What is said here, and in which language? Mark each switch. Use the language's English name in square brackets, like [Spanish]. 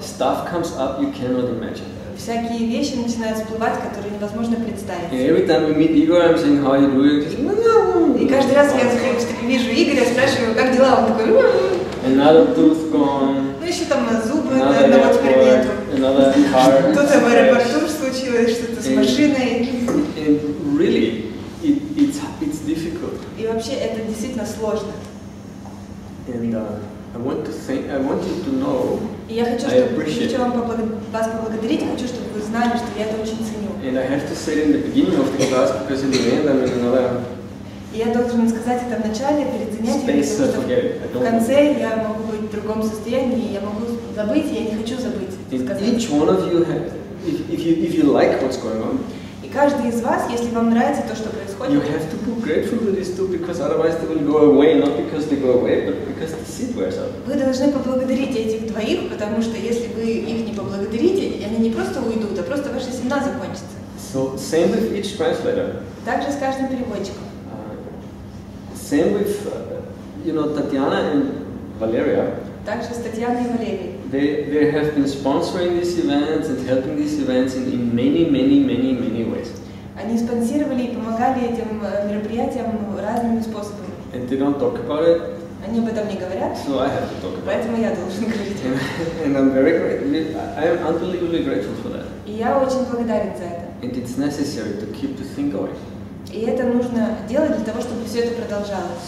[English] Stuff comes up you cannot imagine. [Russian] Всякие вещи начинают всплывать, которые невозможно представить. [English] And every time we meet Igor, I'm saying, how are you doing? He's like, [Russian] И каждый раз я вижу Игоря, спрашиваю его, как дела? Он такой, [English] Another tooth gone. [Russian] Ну, еще там зубы, одного теперь нету. Что-то в аэропорту случилось, что-то с машиной. [English] And really, it's difficult. [Russian] И вообще, это действительно сложно. [English] And I want you to know. [Russian] И я хочу, чтобы вас поблагодарить, хочу, чтобы вы знали, что я это очень ценю. [English] And I have to say it in the beginning of the class, because in the end I'm in another. [Russian] И я должен сказать это в начале, перед занятием, потому что в конце я могу быть в другом состоянии, я могу забыть, я не хочу забыть. [English] Each one of you, if you like what's going on, [Russian] и каждый из вас, если вам нравится то, что происходит, [English] you have to be grateful for these two, because otherwise they will go away, not because they go away, but because the seat wears out. [Russian] Вы должны поблагодарить этих двоих, потому что если вы их не поблагодарите, они не просто уйдут, а просто ваша семена закончится. [English] So same with each translator. [Russian] Также с каждым переводчиком. [English] Same with, Tatiana and Valeria. [Russian] Также с Татьяной и Валерией. [English] They have been sponsoring these events and helping these events in many, many, many, many ways. [Russian] Они спонсировали и помогали этим мероприятиям разными способами. [English] And they don't talk about it. [Russian] Они об этом не говорят. [English] So I have to talk about it. [Russian] Поэтому я должен говорить. [English] And I'm very grateful. I am unbelievably grateful for that. [Russian] И я очень благодарен за это. [English] And it's necessary to keep the thing going. [Russian] И это нужно делать для того, чтобы все это продолжалось.